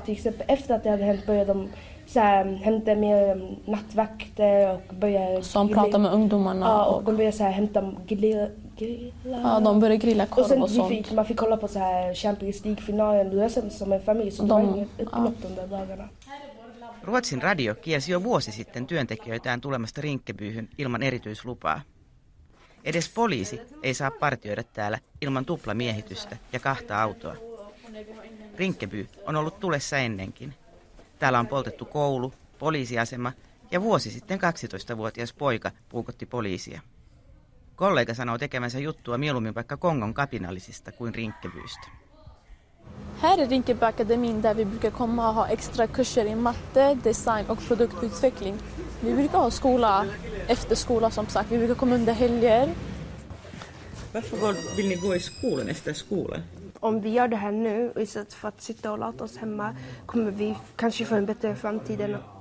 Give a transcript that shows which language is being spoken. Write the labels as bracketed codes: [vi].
[sv] Till exempel efter att det hade hänt började de så här, hämta mer nattvakter. Och började som pratade med ungdomarna. Ja, och de började så här, hämta grilla. Ja, de började grilla korv och sånt. Och sen man fick kolla på så här Champions League-finalen. Du är som en familj, så de var inget upplott de dagarna. [fi] Ruotsin radio kiesi jo vuosi sitten työntekijöitään tulemasta Rinkebyyhyn ilman erityislupaa. Edes poliisi ei saa partioida täällä ilman tuplamiehitystä ja 2 autoa. Rinkeby on ollut tulessa ennenkin. Täällä on poltettu koulu, poliisiasema ja vuosi sitten 12-vuotias poika puukotti poliisia. Kollega sanoo tekemänsä juttua mieluummin vaikka Kongon kapinallisista kuin Rinkebystä. [sv] Här är Rinkeby akademin där vi brukar komma och ha extra kurser i matte, design och produktutveckling. Vi brukar ha skola efter skola som sagt. Vi brukar komma under helger. Varför vill ni gå i skolan efter skolan? Om vi gör det här nu istället för att sitta och låta oss hemma kommer vi kanske få en bättre framtid.